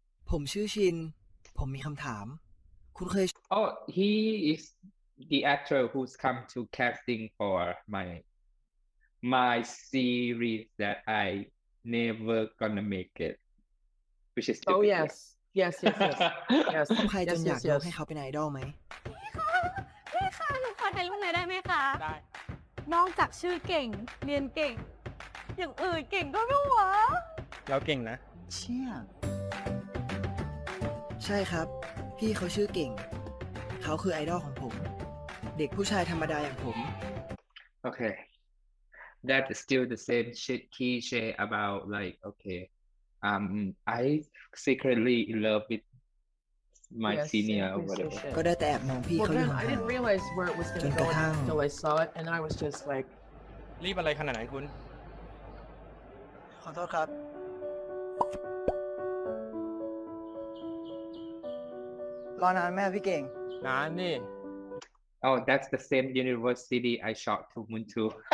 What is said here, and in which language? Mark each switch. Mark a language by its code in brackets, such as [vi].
[th] ผมชื่อชินผมมีคำถามคุณเคย [en] Oh, he is the actor who's come to casting for my series that I never gonna make it, which is Oh, yes. Yes, yes, yes. [th] ใครจะอยากยกให้เขาเป็นไอดอลไหม พี่คะขอให้ลูกหน่อยได้ไหมคะ ได้นอกจากชื่อเก่งเรียนเก่งอย่างอื่นเก่งก็ไม่หวะ เราเก่งนะ เชี่ยใช่ครับพี่เขาชื่อเก่งเขาคือไอดอลของผมเด็กผู้ชายธรรมดาอย่างผม [en] โอเค that is still the same shit he say about like okay I secretly in love with my yes, senior or whatever [th] ก็ได้แต่แอบมองพี่เขาอยู่ห่าง [en] ๆ I didn't realize where it was going to go until I saw it and then I was just like [th] รีบอะไรขนาดไหนคุณ ขอโทษครับรอนานไหมครับพี่เก่ง นานนี่ [en] Oh that's the same university I shot to Moon Two